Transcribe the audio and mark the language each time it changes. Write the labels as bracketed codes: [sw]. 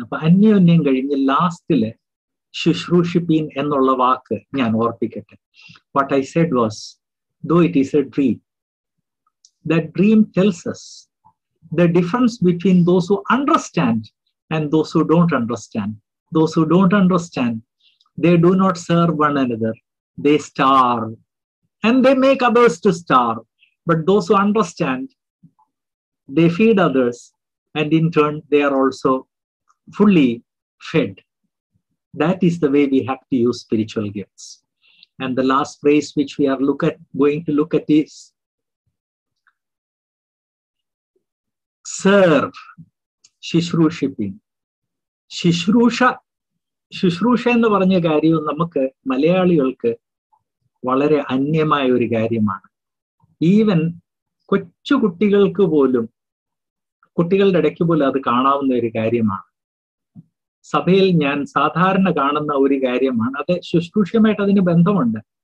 [ml] അപ്പൊ അന്യോന്യം കഴിഞ്ഞ് ലാസ്റ്റില് ശുശ്രൂഷിപ്പിൻ എന്നുള്ള വാക്ക് ഞാൻ ഓർപ്പിക്കട്ടെ. [en] What I said was though it is a dream, that dream tells us the difference between those who understand and those who don't understand. Those who don't understand, they do not serve one another. They starve and they make others to starve. But those who understand, they feed others and in turn they are also fully fed. That is the way we have to use spiritual gifts. And the last phrase which we are going to look at is serve, shishrushipin. [ml] Shishrusha ennu paranja karyam namukku malayaligalkku വളരെ അന്യമായ ഒരു കാര്യമാണ്. Even കൊച്ചുകുട്ടികൾക്ക് പോലും, കുട്ടികളുടെ ഇടയ്ക്ക് പോലും അത് കാണാവുന്ന ഒരു കാര്യമാണ്. സഭയിൽ ഞാൻ സാധാരണ കാണുന്ന ഒരു കാര്യമാണ്. അതെ, ശുശ്രൂഷയുമായിട്ട് അതിന് ബന്ധമുണ്ട്.